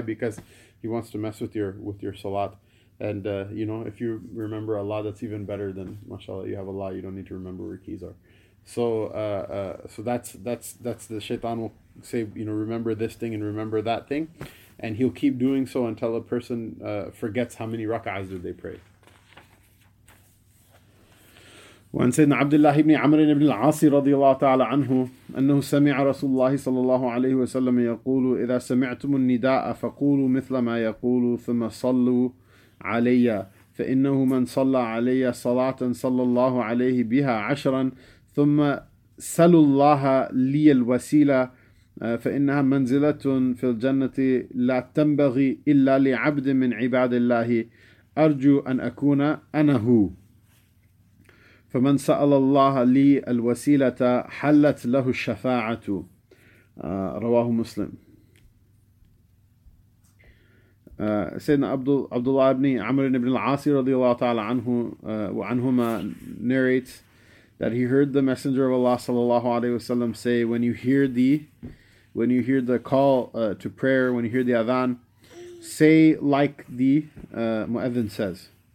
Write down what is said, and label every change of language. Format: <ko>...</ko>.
<en>Because he wants to mess with your salat. And, if you remember Allah, that's even better than, mashallah, you have Allah. You don't need to remember where keys are. So that's the shaitan will say, remember this thing and remember that thing. And he'll keep doing so until a person forgets how many rak'ahs did they pray.</en> <ar>وعن سيدنا عبد الله بن عمرو بن العاص رضي الله تعالى عنه أنه سمع رسول الله صلى الله عليه وسلم يقول إذا سمعتم النداء فقولوا مثل ما يقول ثم صلوا علي فإنه من صلى علي صلاة صلى الله عليه بها عشرا ثم سلوا الله لي الوسيلة فإنها منزلة في الجنة لا تنبغي إلا لعبد من عباد الله أرجو أن أكون أنا هو فمن سأل الله لي الوسيلة حلت له الشفاعة رواه مسلم. سيدنا عبد الله بن عمرو بن العاص رضي الله تعالى عنه وعنهما</ar> <en>narrates that he heard the Messenger of Allah sallallahu alaihi wasallam say, when you hear the call to prayer, when you hear the adhan, say like the muadhin says.</en>